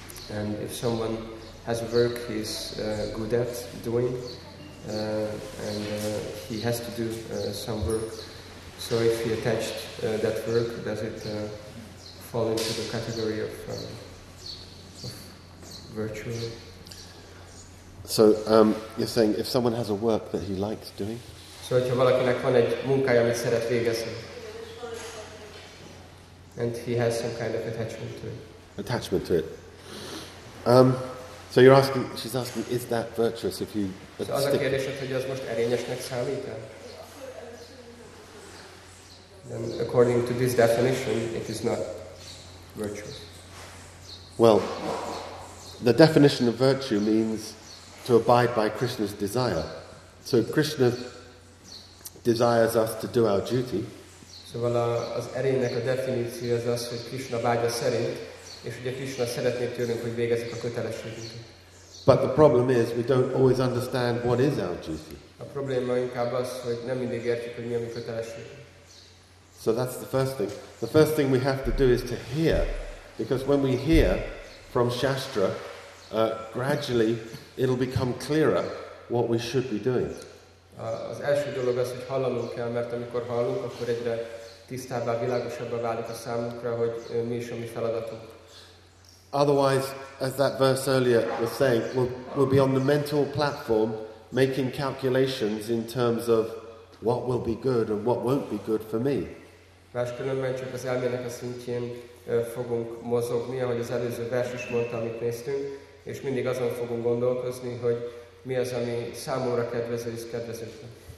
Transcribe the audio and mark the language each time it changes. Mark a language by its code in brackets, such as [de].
[en] And if someone has work he's good at doing, and he has to do some work, so if he attached that work, does it fall into the category of virtue? So you're saying if someone has a work that he likes doing? [hu] So hogyha valakinek van egy munkája, amit szeret végezni, [en] and he has some kind of attachment to it. Attachment to it. So you're asking, she's asking, is that virtuous if you... [hu] So az a kérdésed, hogy az most erényesnek számít-e? [en] Then according to this definition, it is not virtuous. Well, the definition of virtue means to abide by Krishna's desire. So Krishna desires us to do our duty. [hu] Szóval az erénynek a definíció az az, hogy Krishna vágya szerint, és ugye Krishna szeretné tőlünk, hogy végezzük a kötelességünket. [en] But the problem is, we don't always understand what is our duty. [hu] A probléma inkább az, hogy nem mindig értjük, hogy mi a mi kötelességünk. [en] So that's the first thing. The first thing we have to do is to hear. Because when we hear from Shastra, gradually it'll become clearer what we should be doing. [hu] Az első dolog az, hogy hallanunk kell, mert amikor hallunk, akkor egyre tisztábbá, világosabbá válik a számunkra, hogy mi is a mi feladatunk. [en] Otherwise, as that verse earlier was saying, we'll be on the mental platform making calculations in terms of what will be good and what won't be good for me. [hu] Máskülönben csak az elmének a szintjén fogunk mozogni, ahogy az előző vers is mondta, amit néztünk, és mindig azon fogunk gondolkozni, hogy mi az, ami számomra kedvező és kedvezőtlen.